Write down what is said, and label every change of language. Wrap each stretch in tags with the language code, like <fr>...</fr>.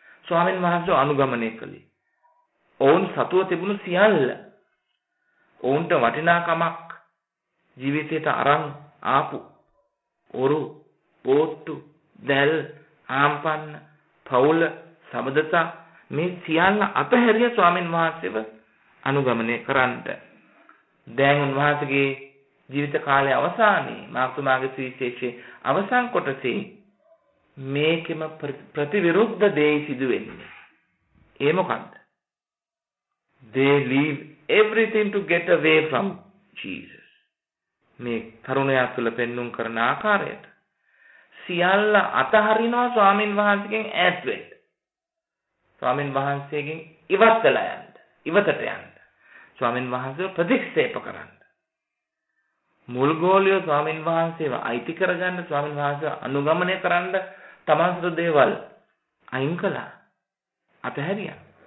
<si>ස්වාමින් වහන්සේව අනුගමනය කළේ ඔවුන් සතුව තිබුණු සියල්ල ඔවුන්ට වටිනාකමක් ජීවිතයට අරන් ආපු ඔරු පොත්තු දැල් ආම්පන්න පවුල සබදතා මේ සියල්ල අතහැරිය ස්වාමීන් වහන්සේව අනුගමනය කරන්න. දැන් උන්වහන්සේගේ ජීවිත කාලය අවසානයේ මාතුමාගේ සුවිශේෂයේ අවසන් කොටසේ මේකෙම ප්‍රතිවිරුද්ධ දේ සිදුවෙන්නේ. ඒ මොකක්ද?</si> <en>They leave everything to get away from Jesus.</en> <si>මේ තරුණයා තුළ පෙන්눔 කරන ආකාරයට සියල්ල අතහරිනවා ස්වාමීන් වහන්සේගෙන් ඈත් වෙන්න. ස්වාමීන් වහන්සේගෙන් ඉවත් වෙලා යන්න. ඉවතට යන්න. ස්වාමීන් වහන්සේ ප්‍රතික්ෂේප කරන්න. මුල් ගෝලිය ස්වාමීන් වහන්සේව අයිති කරගන්න ස්වාමීන් වහන්සේ අනුගමනය කරන්න තමන් සතු දේවල් අයින් කළා. අතහැරියා.</si>